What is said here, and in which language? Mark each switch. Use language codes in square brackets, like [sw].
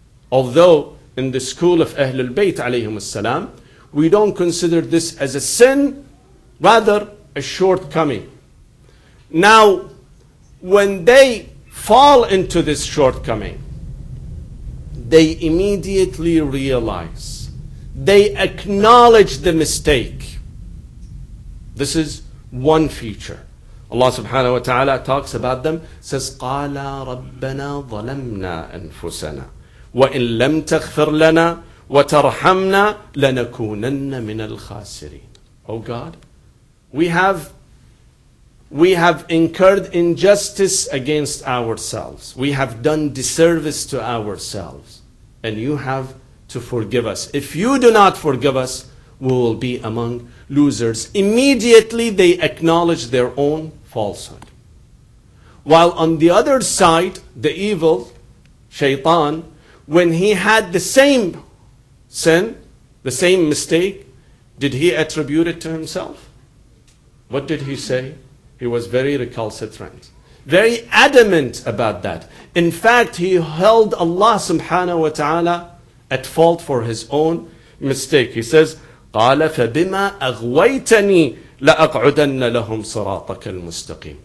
[en] Although in the school of Ahlul Bayt alayhim as-salam, we don't consider this as a sin, rather a shortcoming. Now, when they fall into this shortcoming, they immediately realize, they acknowledge the mistake. This is one feature. Allah subhanahu wa ta'ala talks about them, says, [ar] قَالَا رَبَّنَا ظَلَمْنَا أَنفُسَنَا وَإِن لَمْ تَغْفِرْ لَنَا وَتَرْحَمْنَا لَنَكُونَنَّ مِنَ الْخَاسِرِينَ. [en] Oh God, we have incurred injustice against ourselves. We have done disservice to ourselves. And you have to forgive us. If you do not forgive us, we will be among losers. Immediately they acknowledge their own falsehood. While on the other side, the evil, Shaytan, when he had the same sin, the same mistake, did he attribute it to himself? What did he say? He was very recalcitrant, very adamant about that. In fact, he held Allah subhanahu wa ta'ala at fault for his own mistake. He says, [ar] قَالَ فَبِمَا أَغْوَيْتَنِي لَأَقْعُدَنَّ لَهُمْ صَرَاطَكَ الْمُسْتَقِيمِ.